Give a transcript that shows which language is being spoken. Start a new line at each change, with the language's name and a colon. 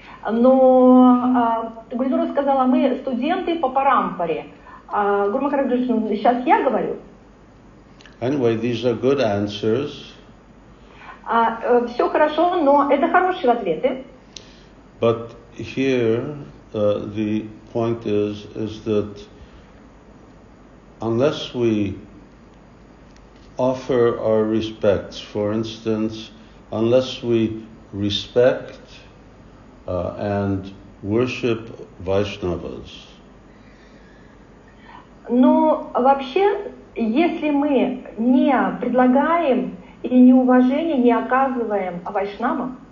Russian: Но Гурмахараджа сказала, мы студенты по парампаре. Гурмахараджа, сейчас я говорю.
English: Anyway, these are good answers.
Russian: Все хорошо, но это хорошие ответы.
English: But here the point is that unless we offer our respects, for instance, unless we respect and worship Vaishnavas.
Russian: Но вообще, если мы не предлагаем или не уважение не оказываем Вайшнавам,